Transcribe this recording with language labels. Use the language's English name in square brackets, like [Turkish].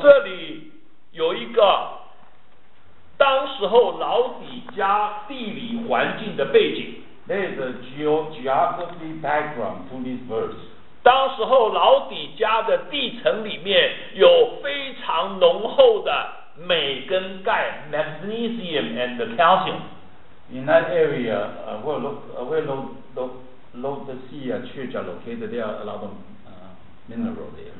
[Chinese] 这里有一个当时候老底家地理环境的背景。 [English] There's a geography background to this verse. [Chinese] 当时候老底家的地层里面有非常浓厚的镁跟钙 [English] magnesium and calcium. In that area, where the sea church are located, there are a lot of mineral there.